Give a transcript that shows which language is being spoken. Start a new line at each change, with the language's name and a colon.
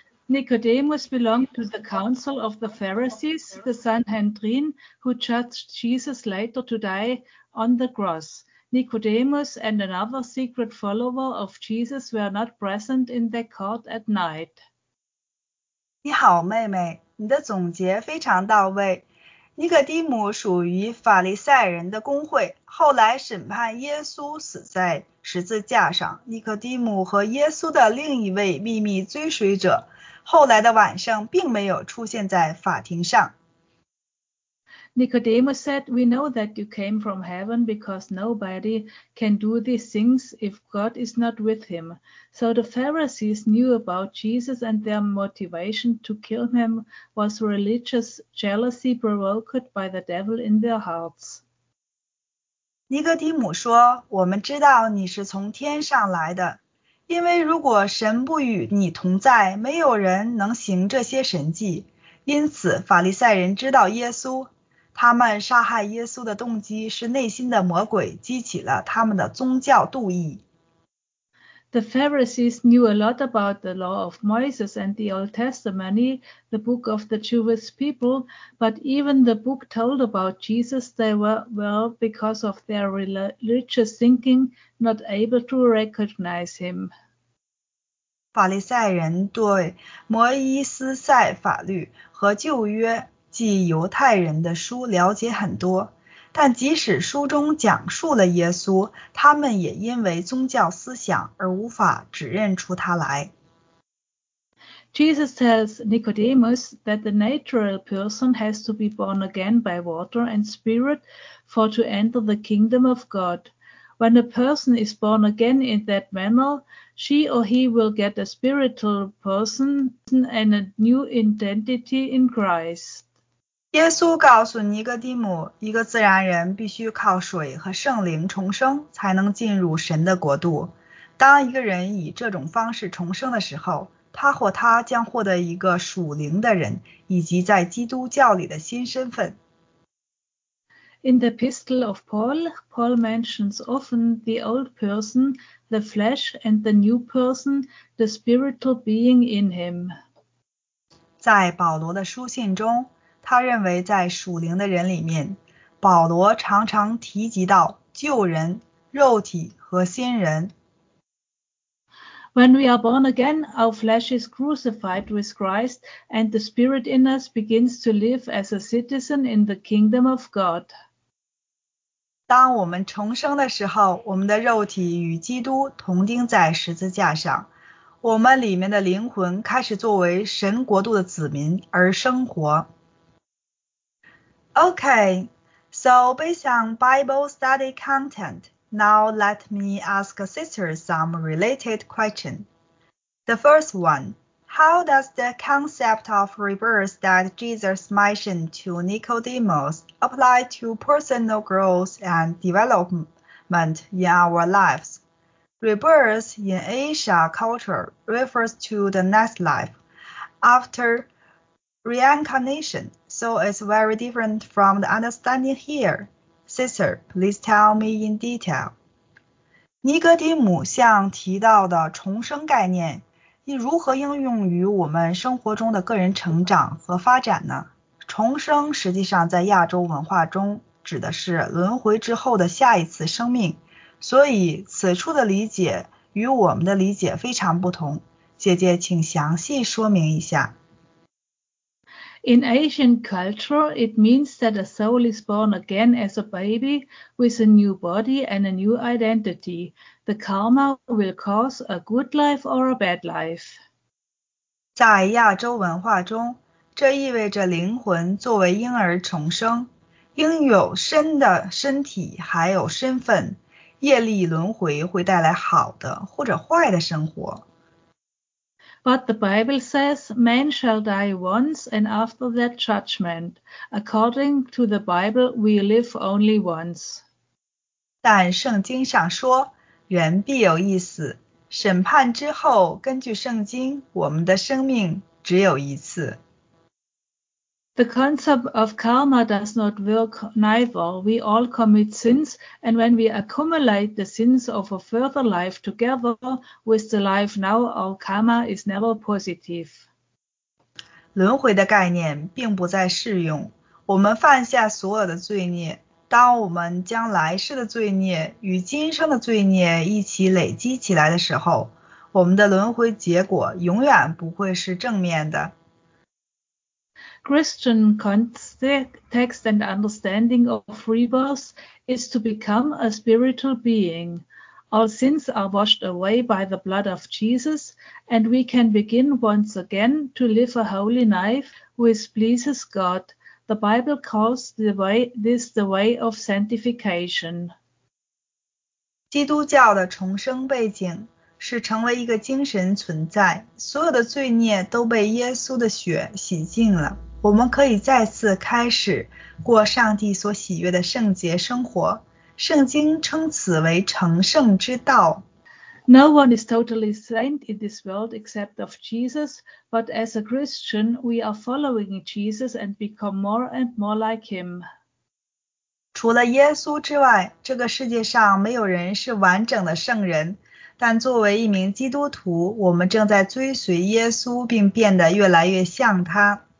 English: Nicodemus belonged to the council of the Pharisees, the Sanhedrin, who judged Jesus later to die on the cross. Nicodemus and another secret follower of Jesus were not present in their court at night.
Chinese: 你好，妹妹，你的总结非常到位。尼可底母属于法利赛人的公会，后来审判耶稣死在十字架上。尼可底母和耶稣的另一位秘密追随者，后来的晚上并没有出现在法庭上。
English: Nicodemus said, "We know that you came from heaven because nobody can do these things if God is not with him." So the Pharisees knew about Jesus, and their motivation to kill him was religious jealousy provoked by the devil in their hearts.
Chinese: 尼哥底母说，我们知道你是从天上来的，因为如果神不与你同在，没有人能行这些神迹。因此，法利赛人知道耶稣。他们杀害耶稣的动机是内心的魔鬼激起了他们的宗教妒意。
English: The Pharisees knew a lot about the law of Moses and the Old Testament, the book of the Jewish people, but even the book told about Jesus, they were, well, because of their religious thinking, not able to recognize him.
Chinese: 法利赛人对摩伊斯赛法律和旧约即犹太人的书了解很多，但即使书中讲述了耶稣，他们也因为宗教思想而无法指认出他来。
English: Jesus tells Nicodemus that the natural person has to be born again by water and spirit for to enter the kingdom of God. When a person is born again in that manner, she or he will get a spiritual person and a new identity in Christ.
Chinese: 耶稣告诉尼哥底母，一个自然人必须靠水和圣灵重生才能进入神的国度。当一个人以这种方式重生的时候，他或她将获得一个属灵的人以及在基督教里的新身份。
English: In the epistle of Paul, Paul mentions often the old person, the flesh, and the new person, the spiritual being in him.
Chinese: 在保罗的书信中，他认为在属灵的人里面，保罗常常提及到旧人、肉体和新人。
English: When we are born again, our flesh is crucified with Christ, and the spirit in us begins to live as a citizen in the kingdom of God.
Chinese: 当我们重生的时候，我们的肉体与基督同钉在十字架上，我们里面的灵魂开始作为神国度的子民而生活。
English: Okay, so based on Bible study content, now let me ask sister some related questions. The first one, how does the concept of rebirth that Jesus mentioned to Nicodemus apply to personal growth and development? development in our lives. Rebirth in Asia culture refers to the next life after reincarnation, so it's very different from the understanding here. Sister, please tell me in detail.
Chinese: 尼格迪姆像提到的重生概念，你如何应用于我们生活中的个人成长和发展呢？重生实际上在亚洲文化中指的是轮回之后的下一次生命，所以此处的理解与我们的理解非常不同。姐姐，请详细说明一下。
English: In Asian culture, it means that a soul is born again as a baby with a new body and a new identity. The karma will cause a good life or a bad life.
Chinese: 在亚洲文化中，这意味着灵魂作为婴儿重生，拥有新的身体还有身份，业力轮回会带来好的或者坏的生活。
English: But the Bible says, man shall die once and after that judgment. According to the Bible, we live only once.
Chinese: 但圣经上说，人必有一死。审判之后，根据圣经，我们的生命只有一次。
English: The concept of karma does not work neither. We all commit sins, and when we accumulate the sins of a further life together with the life now, our karma is never positive.
Chinese: 轮回的概念并不再适用。我们犯下所有的罪孽，当我们将来世的罪孽与今生的罪孽一起累积起来的时候，我们的轮回结果永远不会是正面的。
English: Christian context and understanding of rebirth is to become a spiritual being. All sins are washed away by the blood of Jesus, and we can begin once again to live a holy life which pleases God. The Bible calls this the way of sanctification.
Chinese: 基督教的重生背景是成为一个精神存在，所有的罪孽都被耶稣的血洗净了。我们可以再次开始过上帝所喜悦的圣洁生活。圣经称此为成圣之道。
English: No one is totally saint in this world except of Jesus, but as a Christian, we are following Jesus and become more and more like him.
Chinese: 除了耶稣之外，这个世界上没有人是完整的圣人，但作为一名基督徒，我们正在追随耶稣并变得越来越像他。